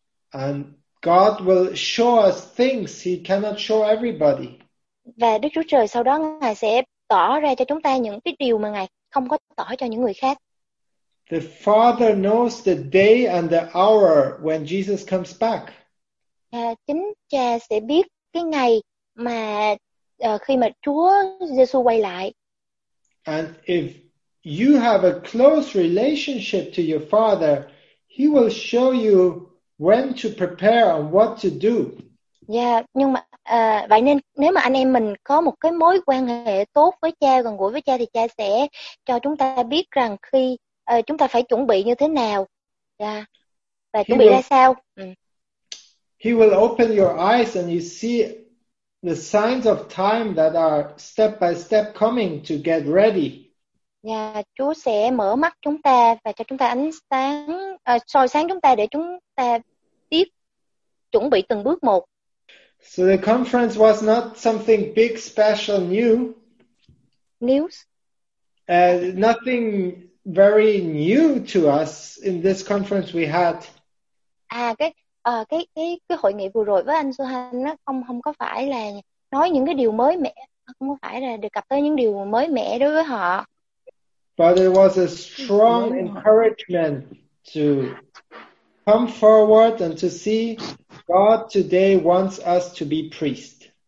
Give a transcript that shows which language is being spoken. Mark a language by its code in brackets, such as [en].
[en] And God will show us things he cannot show everybody. [vi] Và Đức Chúa Trời sau đó Ngài sẽ tỏ ra cho chúng ta những cái điều mà Ngài không có tỏ cho những người khác. [en] The Father knows the day and the hour when Jesus comes back. [vi] Và chính Cha sẽ biết cái ngày mà khi mà Chúa Giêsu quay lại. [en] And if you have a close relationship to your Father, he will show you when to prepare and what to do. [vi] Yeah, nhưng mà vậy nên nếu mà anh em mình có một cái mối quan hệ tốt với Cha, gần gũi với Cha, thì Cha sẽ cho chúng ta biết rằng khi chúng ta phải chuẩn bị như thế nào. Yeah. Và chuẩn bị ra sao? [en] He will open your eyes and you see the signs of time that are step by step coming to get ready. [vi] Yeah, Chúa sẽ mở mắt chúng ta và cho chúng ta ánh sáng, soi sáng chúng ta để chúng ta biết chuẩn bị từng bước một. [en] So the conference was not something big, special, new. News? Nothing very new to us in this conference we had. [vi] Cái hội nghị vừa rồi với anh Suhan nó không có phải là nói những cái điều mới mẻ, không có phải là đề cập tới những điều mới mẻ đối với họ. [en] But it was a strong encouragement to come forward and to see God today wants us to be priest.